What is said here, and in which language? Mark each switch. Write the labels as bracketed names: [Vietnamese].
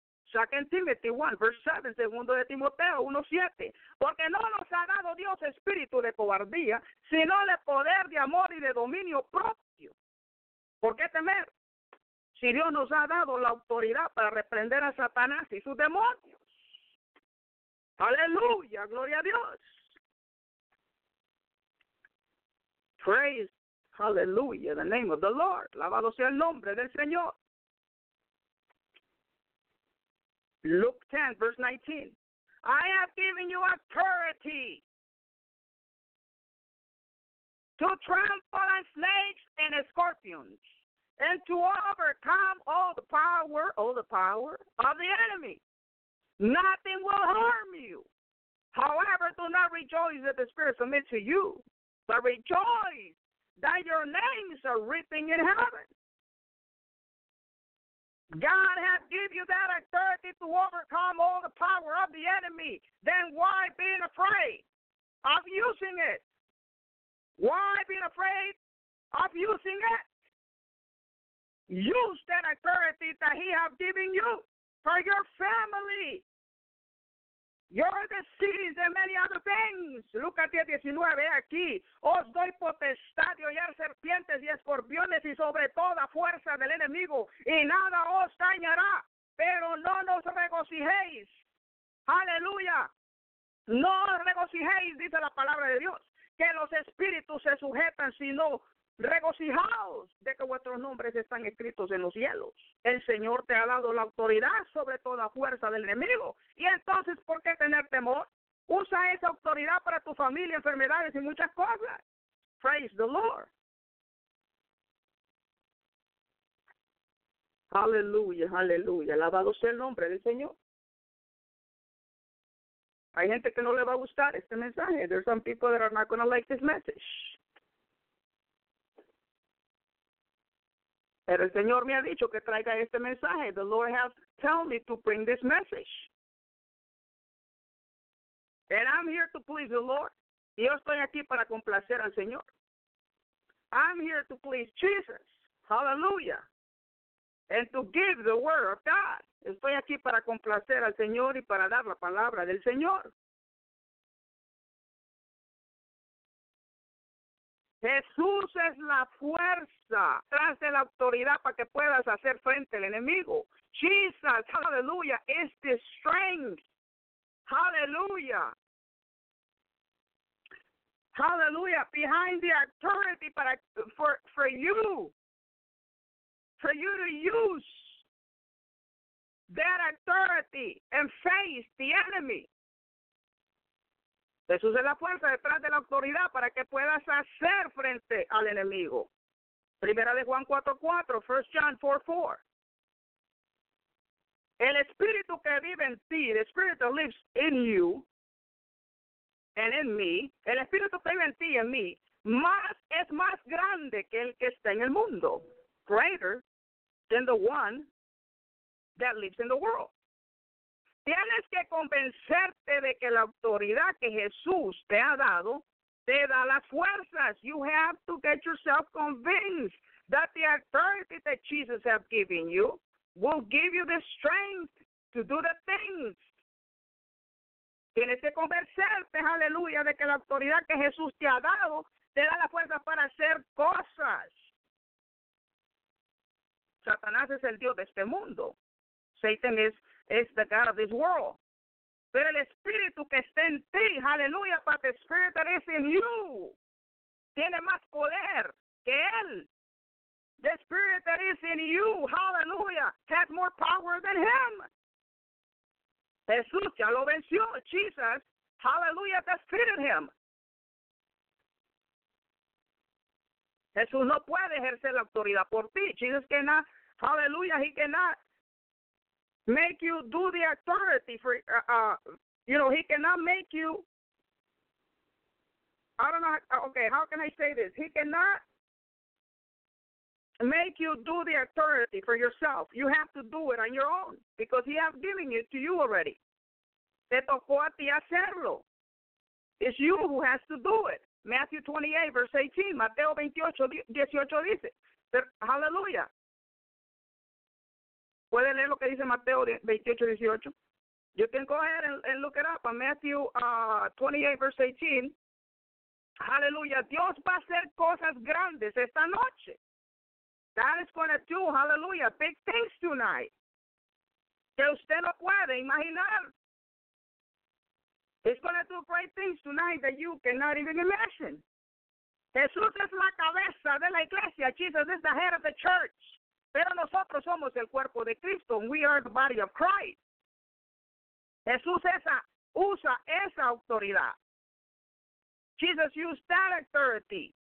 [English] Second Timothy 1, verse 7, [Spanish] segundo de Timoteo 1, 7. Porque no nos ha dado Dios espíritu de cobardía, sino de poder, de amor y de dominio propio. ¿Por qué temer? Si Dios nos ha dado la autoridad para reprender a Satanás y sus demonios. Aleluya, gloria a Dios. [English] Praise, aleluya, the name of the Lord. [Spanish] Alabado sea el nombre del Señor. [English] Luke 10, verse 19. I have given you authority to trample on snakes and scorpions and to overcome all the power of the enemy. Nothing will harm you. However, do not rejoice that the Spirit submits to you, but rejoice that your names are written in heaven. God has given you that authority to overcome all the power of the enemy. Then why being afraid of using it? Why being afraid of using it? Use that authority that he has given you for your family, your disease, and many other things. [Spanish] Lucas 10, 19, aquí. Os doy potestad de hollar serpientes y escorpiones y sobre toda fuerza del enemigo, y nada os dañará, pero no nos regocijéis. Aleluya. No regocijéis, dice la palabra de Dios, que los espíritus se sujetan, sino regocijaos de que vuestros nombres están escritos en los cielos. El Señor te ha dado la autoridad sobre toda fuerza del enemigo. Y entonces, ¿por qué tener temor? Usa esa autoridad para tu familia, enfermedades y muchas cosas. [English] Praise the Lord. [Spanish] Aleluya, aleluya. Alabado sea el nombre del Señor. Hay gente que no le va a gustar este mensaje. [English] There's some people that are not going to like this message. [Spanish] Pero el Señor me ha dicho que traiga este mensaje. [English] The Lord has told me to bring this message. And I'm here to please the Lord. [Spanish] Y yo estoy aquí para complacer al Señor. [English] I'm here to please Jesus. Hallelujah. And to give the word of God. [Spanish] Estoy aquí para complacer al Señor y para dar la palabra del Señor. Jesús es la fuerza tras de la autoridad para que puedas hacer frente al enemigo. [English] Jesus, hallelujah, is the strength. Hallelujah. Hallelujah, behind the authority for you to use that authority and face the enemy. [Spanish] Jesús es la fuerza detrás de la autoridad para que puedas hacer frente al enemigo. Primera de Juan 4:4, [English] 1 John 4:4. [Spanish] El espíritu que vive en ti, [English] the spirit that lives in you and in me, [Spanish] el espíritu que vive en ti y en mí, es más grande que el que está en el mundo. [English] Greater than the one that lives in the world. [Spanish] Tienes que convencerte de que la autoridad que Jesús te ha dado te da las fuerzas. [English] You have to get yourself convinced that the authority that Jesus has given you will give you the strength to do the things. [Spanish] Tienes que convencerte, aleluya, de que la autoridad que Jesús te ha dado te da la fuerza para hacer cosas. Satanás es el Dios de este mundo. [English] Satan is the God of this world. [Spanish] Pero el espíritu que está en ti, hallelujah, [English] but the spirit that is in you, [Spanish] tiene más poder que él. [English] The spirit that is in you, hallelujah, has more power than him. [Spanish] Jesús ya lo venció. [English] Jesus, hallelujah, defeated him. [Spanish] Jesús no puede ejercer la autoridad por ti. [English] Jesus cannot, hallelujah, he cannot make you do the authority for, he cannot make you, how can I say this? He cannot make you do the authority for yourself. You have to do it on your own because he has given it to you already. [Spanish] Te tocó a ti hacerlo. [English] It's you who has to do it. Matthew 28, verse 18. [Spanish] Mateo 28, 18 dice, [English] hallelujah. [Spanish] ¿Puede leer lo que dice Mateo 28:18? [English] You can go ahead and look it up on Matthew 28, verse 18. Hallelujah. [Spanish] Dios va a hacer cosas grandes esta noche. [English] God is going to do, hallelujah, big things tonight. [Spanish] Que usted no puede imaginar. [English] He's going to do great things tonight that you cannot even imagine. [Spanish] Jesús es la cabeza de la iglesia. [English] Jesus is the head of the church. [Spanish] Pero nosotros somos el cuerpo de Cristo. [English] We are the body of Christ. [Spanish] Jesús usa esa autoridad. [English] Jesus used that authority.